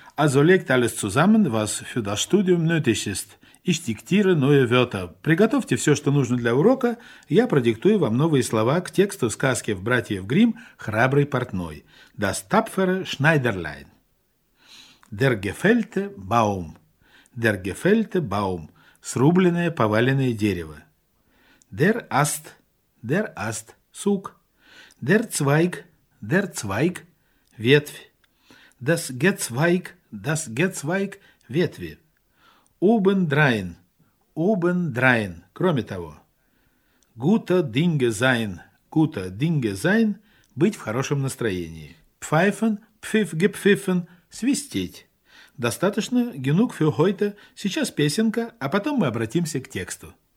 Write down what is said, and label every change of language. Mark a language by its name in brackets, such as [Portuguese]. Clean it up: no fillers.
[German] Also legt alles zusammen, was für das Studium nötig ist. Ich diktiere neue Wörter. [Russian] Приготовьте все, что нужно для урока. Я продиктую вам новые слова к тексту сказки в «Братьев Гримм» «Храбрый портной». [German] Das tapfere Schneiderlein. Der gefällte Baum. Der gefällte Baum. [Russian] Срубленное, поваленное дерево. [German] Der Ast. Der Ast. [Russian] Сук. [German] Der Zweig. Der Zweig. [Russian] Ветвь. [German] Das Gezweig. Das Gezweig. [Russian] Ветви. [German] Obendrein. Obendrein. [Russian] Кроме того. [German] Gute Dinge sein. Gute Dinge sein. [Russian] Быть в хорошем настроении. [German] Pfeifen. Pfiff. Gepfiffen. [Russian] Свистеть. Достаточно, [German] genug für heute. [Russian] Сейчас песенка, а потом мы обратимся к тексту.